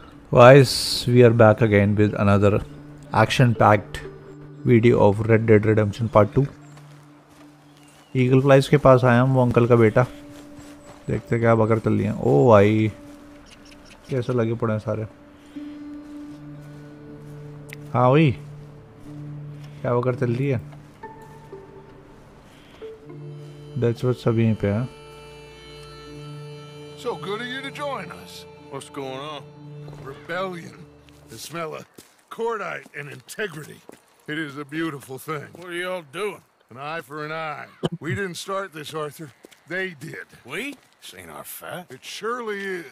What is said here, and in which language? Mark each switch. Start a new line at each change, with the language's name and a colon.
English: Guys, we are back again with another action-packed video of Red Dead Redemption Part 2.
Hindi: Eagle Flies के पास आया हूँ, वो uncle का बेटा. देखते क्या बकर चल लिया. ओ भाई, कैसे लगे पड़े हैं सारे. हाँ भाई, क्या बकर चल रही है.
English: That's what
Hindi: सभी यहीं पे हैं.
English: So good of you to join us. What's going on? Rebellion, the smell of cordite and integrity. It is a beautiful thing. What are y'all doing? An eye for an eye. We didn't start this, Arthur. They did. We? This ain't our fat. It surely is.